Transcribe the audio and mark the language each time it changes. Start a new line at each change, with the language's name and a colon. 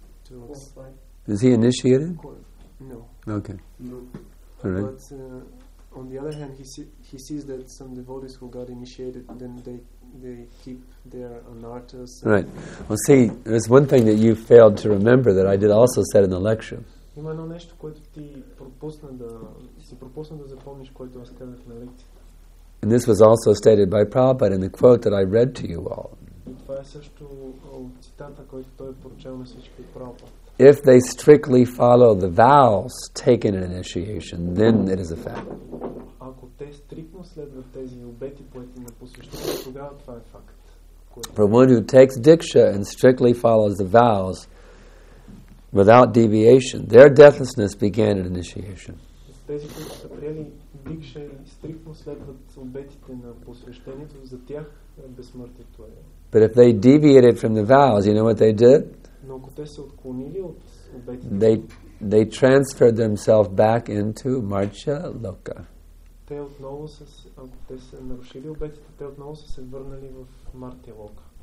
English: qualify. Is he initiated? No. Okay. No. All right. But on the other hand, he sees that some devotees who got initiated, then they keep their anarthas. Right. Well, see, there's one thing that you failed to remember that I did also said in the lecture.
Bulgarian: Има едно нещо, което ти пропусна да си пропусна да запомниш, което аз казах на лекцията.
English: And this was also stated by Prabhupada in the quote that I read to you all.
Bulgarian: И това е също от цитата, който той поръчал на всички от Прабхупада.
English: If they strictly follow the vows taken in initiation, then it is a fact.
Bulgarian: Ако те стриктно следват тези обети, поети на посвещение, тогава това е факт.
English: For one who takes diksha and strictly follows the vows, without deviation, their deathlessness began at initiation.
Bulgarian: Тези, които са приели дикша и стриктно следват обетите на посвещението, за тях безсмъртието е.
English: But if they deviated from the vows, you know what they did?
Bulgarian: Но ако те се отклонили от обетите,
English: they transferred themselves back into Marcha Loka.
Bulgarian: Те отново са, ако те са нарушили обетите, те отново са се върнали в Марти Лока.